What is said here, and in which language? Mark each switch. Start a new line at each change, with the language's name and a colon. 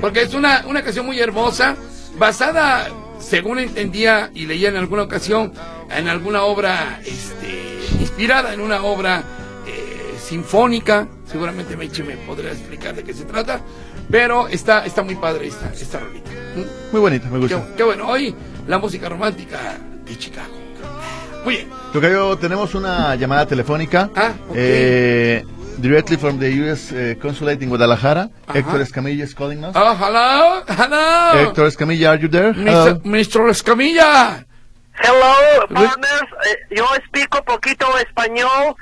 Spanish: Porque es una canción muy hermosa, basada, según entendía y leía en alguna ocasión, en alguna obra, inspirada en una obra sinfónica, seguramente Meche me podría explicar de qué se trata, pero está muy padre esta rolita. Muy bonita, me gusta. Qué bueno, hoy la música romántica de Chicago. Muy bien. Tocayo, tenemos una llamada telefónica. Ah, ok.
English: Directly from the U.S. Consulate in Guadalajara. Ajá. Héctor Escamilla is calling us. Oh, hello. Héctor Escamilla, are you there? Mr. Escamilla. Hello, partners.
Spanish: Yo explico poquito español.